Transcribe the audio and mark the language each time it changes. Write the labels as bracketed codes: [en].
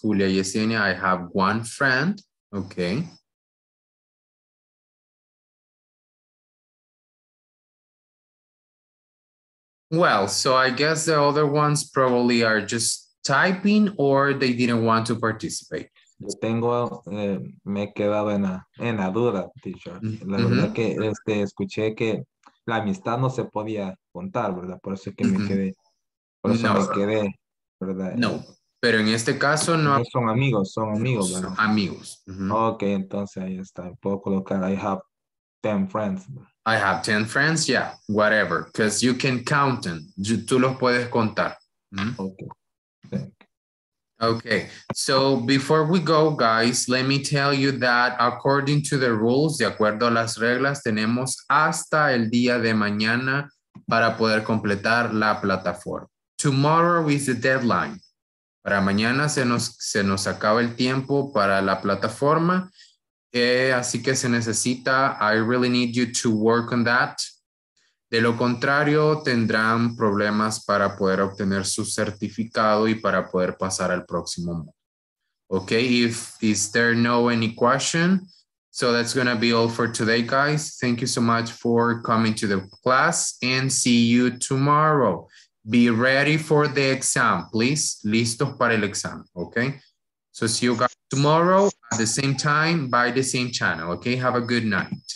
[en] Julia Yesenia, I have 1 friend, okay? Well, so I guess the other ones probably are just typing or they didn't want to participate. [es] Yo tengo, me he quedado en la duda, teacher. La mm-hmm. verdad que escuché que la amistad no se podía contar, ¿verdad? Por eso es que mm-hmm. me quedé, por eso no, me quedé, ¿verdad? No, pero en este caso no. Son amigos, ¿verdad? Son amigos. Mm-hmm. Ok, entonces ahí está. Puedo colocar, [en] I have 10 friends. I have 10 friends, yeah, whatever. Because you can count them. [es] Tú los puedes contar. Mm-hmm. Ok, [en] okay, so before we go, guys, let me tell you that according to the rules, [es] de acuerdo a las reglas, tenemos hasta el día de mañana para poder completar la plataforma. [en] Tomorrow is the deadline. [es] Para mañana se nos acaba el tiempo para la plataforma. Así que se necesita, [en] I really need you to work on that. [es] De lo contrario, tendrán problemas para poder obtener su certificado y para poder pasar al próximo módulo. [en] Okay, is there no any question? So that's going to be all for today, guys. Thank you so much for coming to the class and see you tomorrow. Be ready for the exam, please. [es] Listos para el examen, [en] okay? So see you guys tomorrow at the same time by the same channel, okay? Have a good night.